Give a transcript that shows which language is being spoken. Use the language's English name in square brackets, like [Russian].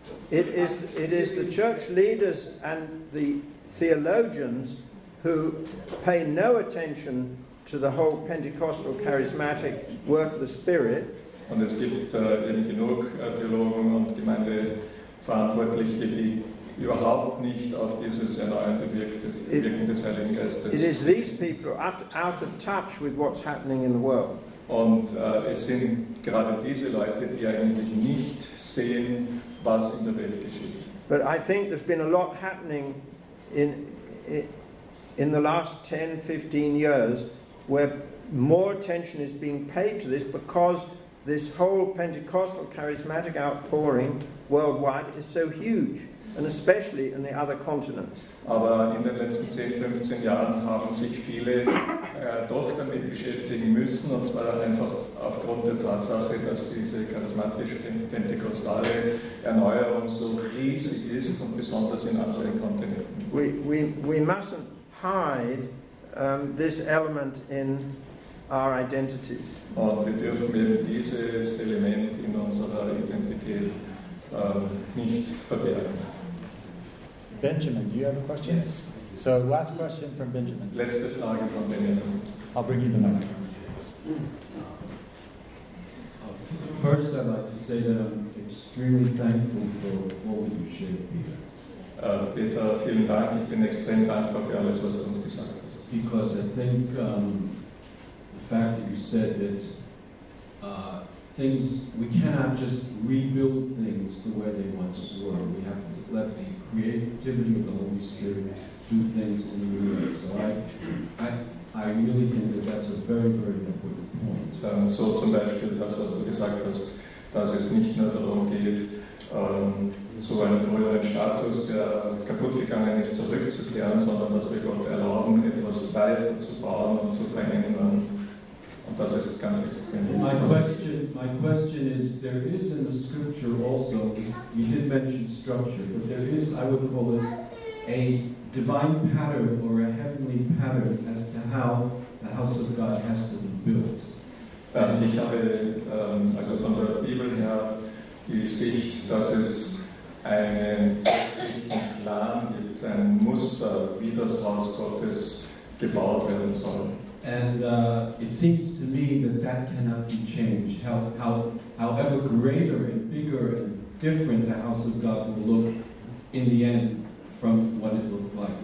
[English] It is the church leaders and the theologians who pay no attention to the whole Pentecostal charismatic work of the Spirit. [German] Und es gibt eben genug Theologen und Gemeindeverantwortliche, die überhaupt nicht auf dieses erneuernde Wirken des Heiligen Geistes. [English] It is these people out of touch with what's happening in the world. [German] Und es sind gerade diese Leute, die eigentlich nicht sehen, was in der Welt geschieht. [English] But I think there's been a lot happening in the last 10, 15 years, where more attention is being paid to this because this whole Pentecostal charismatic outpouring worldwide is so huge, and especially in the other continents. [German] Aber in den letzten 10, 15 Jahren haben sich viele doch damit beschäftigen müssen, und zwar einfach aufgrund der Tatsache, dass diese charismatische pentekostale Erneuerung so riesig ist und besonders in anderen Kontinenten. [English] We mustn't hide this element in our identities. [German] Und wir dürfen eben dieses Element in unserer Identität nicht verbergen. [English] Benjamin, do you have a question? Yes. So, last question from Benjamin. [German] Letzte Frage von Benjamin. [English] I'll bring you the mic. First, I'd like to say that I'm extremely thankful for all that you shared, Peter. [German] Peter, vielen Dank. Ich bin extrem dankbar für alles, was du uns gesagt hast. [English] Because I think the fact that you said that things, we cannot just rebuild things the way they once were. We have to let the creativity of the Holy Spirit do things in the new way. So I really think that that's a very, very important point. [German] So zum Beispiel das, was du gesagt hast, dass es nicht nur darum geht, zu einem früheren Status, der kaputt gegangen ist, zurückzukehren, sondern dass wir Gott erlauben, etwas weiterzubauen und zu verändern. Und das ist ganz extrem. [English] My question is, there is in the scripture also, you did mention structure, but there is, I would call it, a divine pattern or a heavenly pattern as to how the house of God has to be built. [German] Ich habe also von der Bibel her die Sicht, dass es einen Plan gibt, ein Muster, wie das Haus Gottes gebaut werden soll. [English] And it seems to me that cannot be changed. However greater and bigger and different the house of God will look in the end from what it looked like.